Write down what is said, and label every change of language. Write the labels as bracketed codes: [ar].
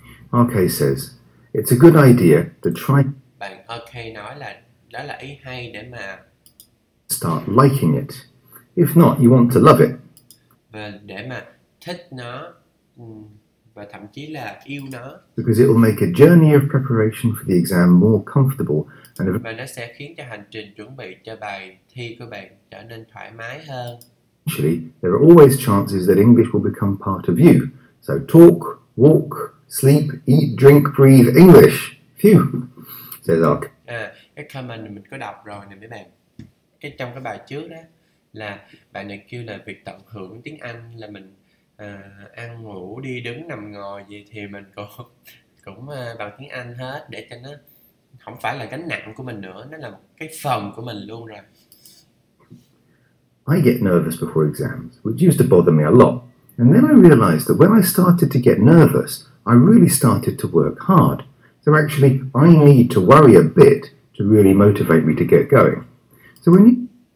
[en] RK says, it's a good idea to try. [vi] Bạn RK nói là đó là ý hay để mà [en] start liking it. If not, you want to love it. [vi] Và để mà thích nó và thậm chí là yêu nó. [en] Because it will make a journey of preparation for the exam more comfortable and [vi] và nó sẽ khiến cho hành trình chuẩn bị cho bài thi của bạn trở nên thoải mái hơn. [en] Actually, there are always chances that English will become part of you. So talk, walk, sleep, eat, drink, breathe English. Phew, says Ark. [vi] Cái comment mình có đọc rồi nè mấy bạn. Cái trong cái bài trước đó là bạn này kêu là việc tận hưởng tiếng Anh là mình ăn ngủ đi đứng nằm ngồi gì thì mình cũng bằng tiếng Anh hết để cho nó không phải là gánh nặng của mình nữa, nó là một cái phần của mình luôn rồi. [en] I get nervous before exams, which used to bother me a lot. And then I realized that when I started to get nervous, I really started to work hard. So actually, I need to worry a bit to really motivate me to get going. So when you...